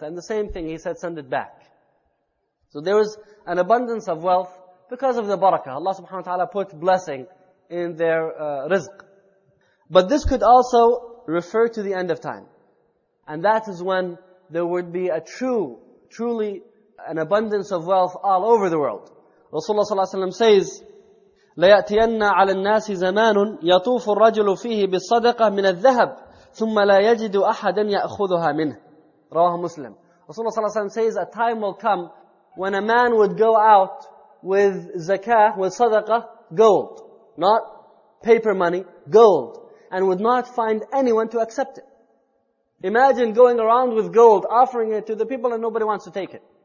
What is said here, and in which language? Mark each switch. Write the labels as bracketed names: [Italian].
[English] And the same thing, he said, send it back. So there was an abundance of wealth because of the barakah. Allah subhanahu wa ta'ala put blessing in their rizq. But this could also refer to the end of time. And that is when there would be a truly an abundance of wealth all over the world. [Arabic] Rasulullah sallallahu alayhi wa sallam says, لَيَأْتِيَنَّ عَلَى النَّاسِ زَمَانٌ يَطُوفُ الرَّجُلُ فِيهِ بِالصَّدَقَةِ مِنَ الذَّهَبِ ثُمَّ لَا يَجِدُ أَحَدًا يَأْخُذُهَا مِنْهِ رواه مسلم. [English] Rasulullah sallallahu alayhi wa sallam says, a time will come when a man would go out with zakah, with sadaqah, gold. Not paper money, gold. And would not find anyone to accept it. Imagine going around with gold, offering it to the people and nobody wants to take it.